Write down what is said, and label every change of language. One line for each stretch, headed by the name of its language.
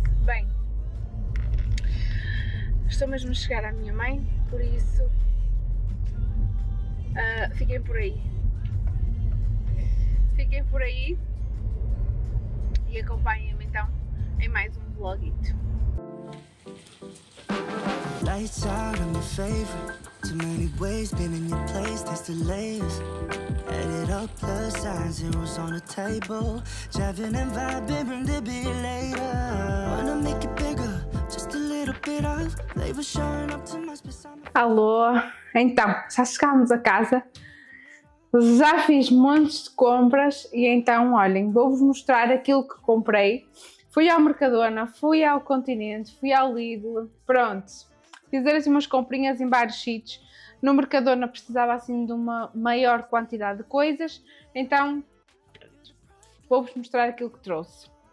Portuguese: Bem, estou mesmo a chegar à minha mãe, por isso fiquem por aí e acompanhem-me então em mais um vlogito.
English: Lights out, I'm a favorite. Too many ways, been in your place, that's the latest. Added up the signs, zeros on the table. Driving and vibing, bring the beat later. Wanna make it bigger, just a little bit of flavor showing up to my specific.
Portuguese: Alô, então, já chegámos a casa. Já fiz montes de compras e então, olhem, vou-vos mostrar aquilo que comprei. Fui ao Mercadona, fui ao Continente, fui ao Lidl, pronto. Fizer assim umas comprinhas em vários sítios. No Mercadona precisava assim de uma maior quantidade de coisas, então vou-vos mostrar aquilo que trouxe.